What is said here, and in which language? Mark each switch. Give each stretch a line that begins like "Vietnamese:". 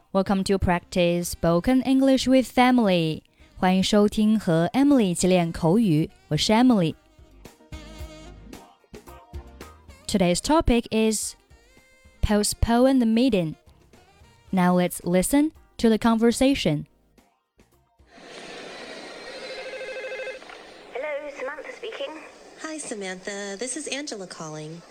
English: Welcome to Practice Spoken English with Emily.
Chinese: 欢迎收听和 Emily 一起练口语。我是 Emily.
English: Today's topic is postpone the meeting. Now let's listen to the conversation. Hello, Samantha speaking. Hi, Samantha. This is Angela calling.